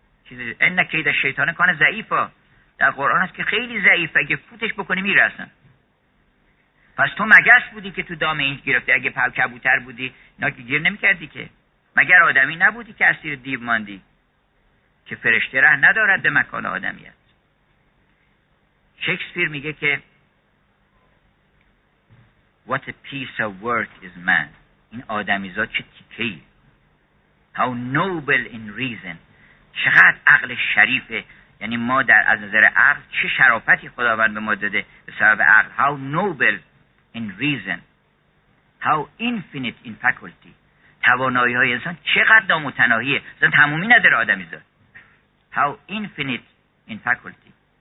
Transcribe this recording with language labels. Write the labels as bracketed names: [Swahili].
[Persian] این کید شیطان کان ضعیفا در قرآن هست که خیلی ضعیف، اگه فوتش بکنی میره هستن. پس تو مگس بودی که تو دام این گرفتی؟ اگه پر کبوتر بودی اینا که گیر نمیکردی که. مگر آدمی نبودی که اسیر دیو ماندی؟ که فرشته ره ندارد به مکان آدمیت. شکسپیر میگه که [English] What a piece of work is man. [Persian] این آدمیزاد چه تیکهی. [English] How noble in reason. [Persian] چقدر عقل شریفه. یعنی ما در از نظر عقل چه شرافتی خداوند به ما داده به سبب عقل. [English] How noble in reason. How infinite in faculty. [Persian] توانایی های انسان چقدر نامتناهیه. زن تمومی نداره آدمیزاد. [English] How infinite in faculty.